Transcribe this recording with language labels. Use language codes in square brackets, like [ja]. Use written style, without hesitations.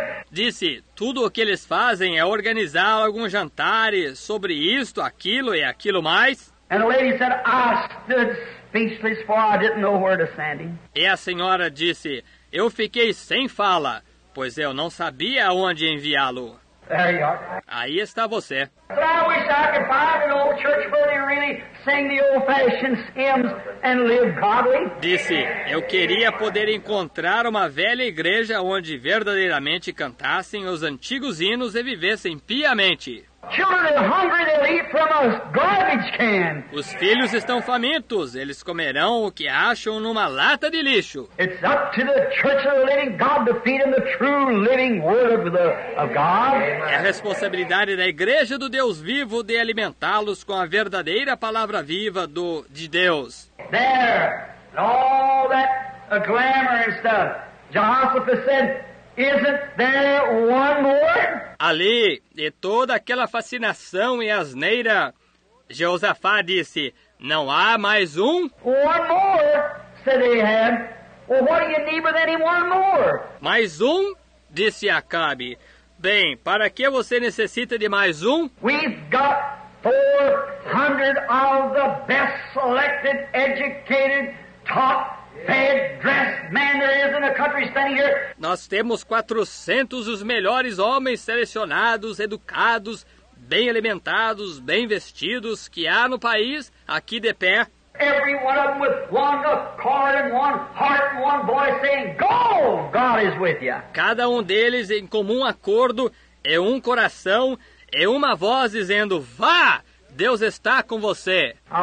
[pt] Disse, tudo o que eles fazem é organizar alguns jantares sobre isto, aquilo e aquilo mais. [en] And the lady said, I stood speechless for I didn't know where to stand. [pt] E a senhora disse, eu fiquei sem fala, pois eu não sabia onde enviá-lo. Aí está você. [en] So I wish I could find an old church where they really sing the old-fashioned hymns and live godly. [pt] Disse, eu queria poder encontrar uma velha igreja onde verdadeiramente cantassem os antigos hinos e vivessem piamente. [en] Children are hungry, they'll eat from a garbage can. [pt] Os filhos estão famintos, eles comerão o que acham numa lata de lixo. [en] It's up to the church of the living God to feed them the true living word of God. [pt] É a responsabilidade da igreja do Deus vivo de alimentá-los com a verdadeira palavra viva de Deus. [en] There, all that glamour and stuff, Jehoshaphat said, isn't there one more? [pt] Ali, e toda aquela fascinação e asneira, Jeosafá disse, não há mais um? [en] One more, said Ahab. Well, what do you need with any one more? [pt] Mais um, disse Acabe. Bem, para que você necessita de mais um? [en] We've got 400 of the best selected, educated, taught, fed, dressed men there is in the country standing here. [pt] Nós temos 400 os melhores homens selecionados, educados, bem alimentados, bem vestidos que há no país, aqui de pé. [en] Every one of them with one accord and one heart and one voice saying, go, God is with you. [pt] Cada um deles em comum acordo, é um coração, é uma voz dizendo, vá, Deus está com você.